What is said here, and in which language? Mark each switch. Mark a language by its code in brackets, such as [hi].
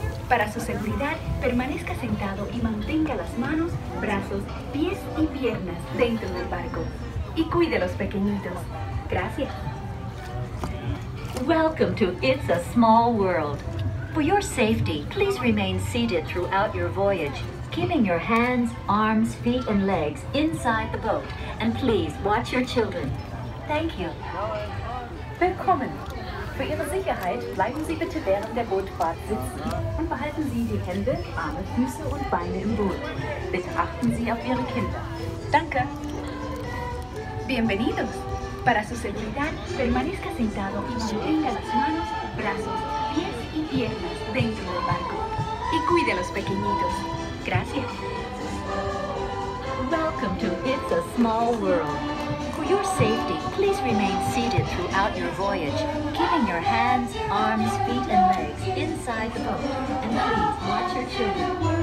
[es] Para su seguridad, permanezca sentado y mantenga las manos, brazos, pies y piernas dentro del barco. y cuide los pequeñitos. Gracias. [en] Welcome to It's a Small World. For your safety, please remain seated throughout your voyage, keeping your hands, arms, feet, and legs inside the boat. And please watch your children. Thank you. [de] Willkommen. Für Ihre Sicherheit bleiben Sie bitte während der Bootfahrt sitzen und behalten Sie die Hände, Arme, Füße und Beine im Boot. Bitte achten Sie auf Ihre Kinder. Danke. [es] Bienvenidos. Para su seguridad, permanezca sentado y mantenga las manos, brazos, pies y piernas dentro del barco. Y cuide a los pequeñitos. Gracias. [en] Welcome to It's a Small World. For your safety, please remain seated throughout your voyage, keeping your hands, arms, feet, and legs inside the boat. And please watch your children.